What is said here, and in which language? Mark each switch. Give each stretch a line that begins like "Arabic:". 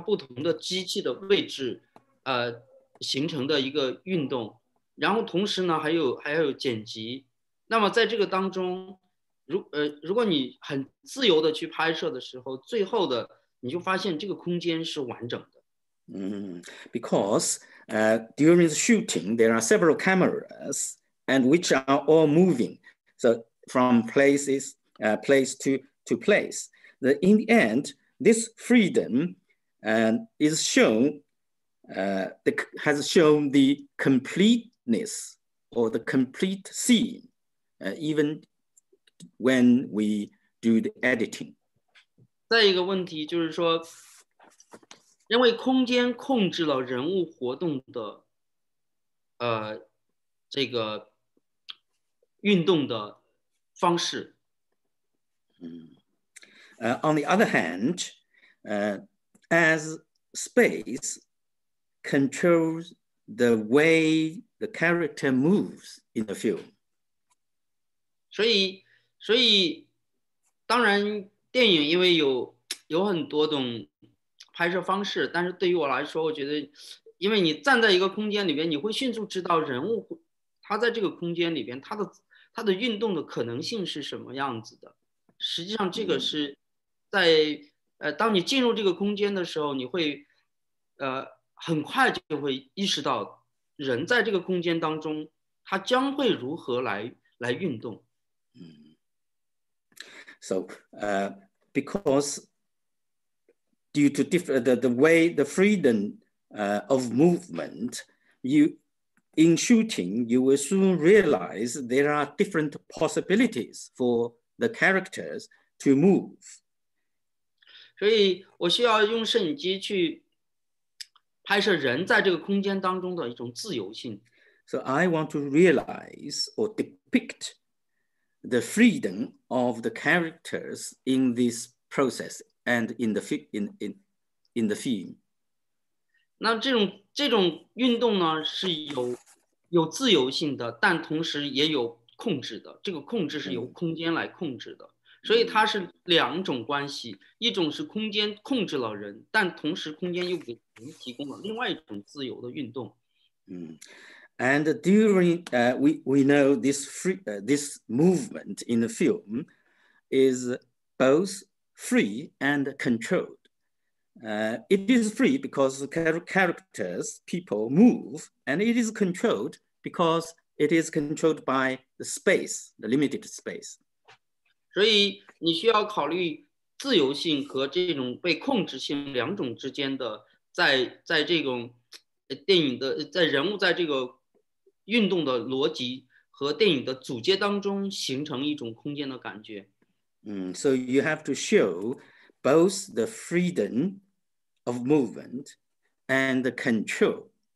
Chinese: 因为电影很重要的，就是说一方面有摄影机的运动，它不同的机器的位置，形成的一个运动，然后同时呢还有剪辑，那么在这个当中，如果你很自由的去拍摄的时候，最后的你就发现这个空间是完整的。Because
English: during the shooting there are several cameras and which are all moving, so from places place to place. The in the end this freedom is shown. Has shown the completeness or the complete scene, even when we do the editing.
Chinese: 再一个问题就是说，因为空间控制了人物活动的，这个运动的方式。
English: On the other hand, as space controls the way the character moves in the film.
Chinese: 所以当然电影因为有很多种拍摄方式，但是对于我来说，我觉得因为你站在一个空间里边，你会迅速知道人物他在这个空间里边他的运动的可能性是什么样子的。实际上这个是在当你进入这个空间的时候，你会很快就会意识到人在这个空间当中他将会如何来运动。
English: So, because due to the way the freedom of movement, you in shooting, you will soon realize there are different possibilities for the characters to move.
Chinese: 所以我需要用摄影机去拍摄人在这个空间当中的一种自由性。
English: So I want to realize or depict the freedom of the characters in this process and in the film.
Chinese: 那这种运动呢是有自由性的，但同时也有控制的，这个控制是由空间来控制的。所以它是两种关系，一种是空间控制了人，但同时空间又给人提供了另外一种自由的运动。
English: And during we know this free this movement in the film is both free and controlled. It is free because the characters people move, and it is controlled because it is controlled by the space, the limited space.
Chinese: 所以你需要考虑自由性和这种被控制性两种之间的在这种电影的在人物在这个运动的逻辑和电影的组接当中形成一种空间的感觉。
English: So you have to show both the freedom of movement and the control.